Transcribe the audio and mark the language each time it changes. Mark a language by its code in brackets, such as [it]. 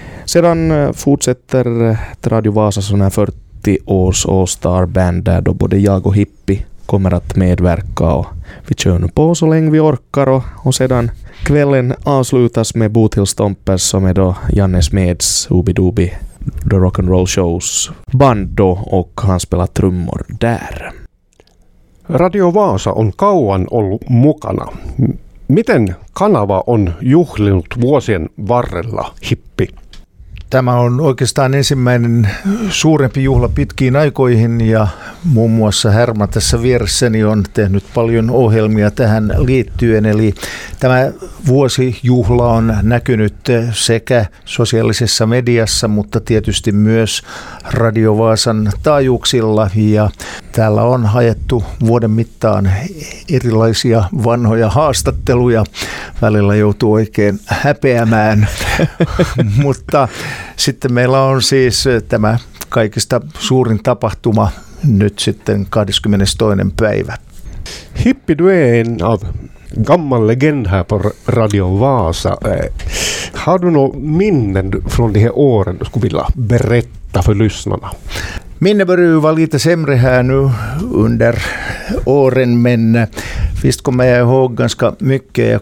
[sv] Sedan fortsätter Radio Vaasa sån här 40 års All-Star Band där då både jag och Hippi kommer att medverka och vi kör nu på så länge vi orkar och sedan kvällen avslutas med Bootheel Stompers som är då Janne Smeds Ubi-Dubi The Rock'n'Roll Shows band då och han spelar trummor där. [fi] Radio Vaasa on kauan ollut mukana. Miten kanava on juhlinut vuosien varrella, Hippi? Tämä on oikeastaan ensimmäinen suurempi juhla pitkiin aikoihin ja muun muassa Herma tässä vieressäni on tehnyt paljon ohjelmia tähän liittyen. Eli tämä vuosijuhla on näkynyt sekä sosiaalisessa mediassa, mutta tietysti myös Radio Vaasan taajuuksilla. Ja täällä on haettu vuoden mittaan erilaisia vanhoja haastatteluja. Välillä joutuu oikein häpeämään, mutta sitten meillä on siis tämä kaikista suurin tapahtuma nyt sitten 22. päivä. [sv] Hippi, du är en av gammal legend här på Radio Vaasa. Har du något minnen från de här åren du skulle vilja berätta för lyssnarna? Minne börjar ju vara lite sämre här nu under åren, men visst kommer jag ihåg ganska mycket.